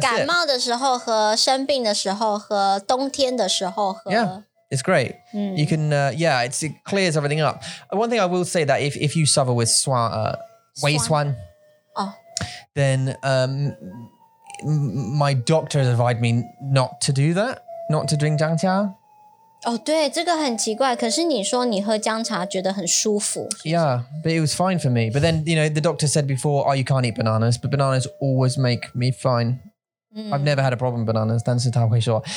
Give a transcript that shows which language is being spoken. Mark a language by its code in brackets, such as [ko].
[zh] 感冒的时候喝,生病的时候喝,冬天的时候喝。 [en] Yeah. It's great. You can, it clears everything up. One thing I will say that if you suffer with wei suan, then my doctor has advised me not to do that, not to drink jiang qia. [zh] Oh, 对，这个很奇怪。可是你说你喝姜茶觉得很舒服。 [en] Yeah, but it was fine for me. But then, you know, the doctor said before, oh, you can't eat bananas, but bananas always make me fine. I've never had a problem with bananas, [zh] 但是他会说。